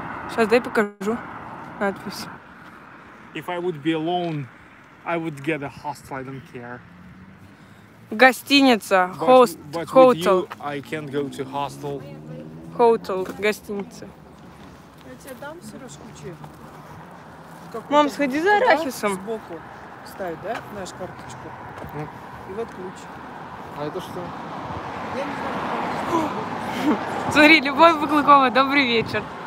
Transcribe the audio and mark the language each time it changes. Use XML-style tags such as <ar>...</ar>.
<ru>Сейчас дай покажу надпись.</ru> <en>If I would be alone, I would get a hostel, I don't care.</en> <ru>Гостиница, хост, хотел.</ru> <en>But with you, I can't go to hostel.</en> <ru>Хотел, гостиница. Я тебе дам сырочку ключи. Мам, сходи за арахисом. Сбоку ставь, да, знаешь, карточку. И вот ключ. А это что? Я не знаю. Смотри, Любовь Баклакова, добрый вечер.</ru>